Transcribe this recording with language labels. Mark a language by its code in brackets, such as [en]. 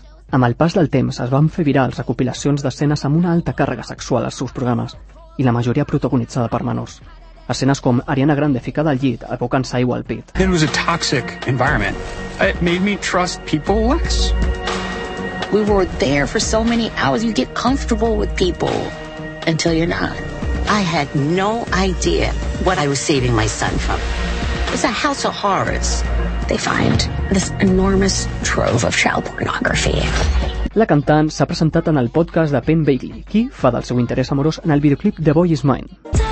[ca] Amb el pas del temps es van fer virals recopilacions d'escenes amb una alta càrrega sexual als seus programes i la majoria protagonitzada per menors. Escenes com Ariana Grande ficada al llit abocant-se aigua al pit. [en] It was a toxic environment. It made me trust people less. We were there for so many hours. You get comfortable with people until you're not. I had no idea what I was saving my son from. It's a house of horrors. They find this enormous trove of child pornography. [ca] La cantant s'ha presentat en el podcast de Penn Bailey, qui fa del seu interès amorós en el videoclip The Boy Is Mine.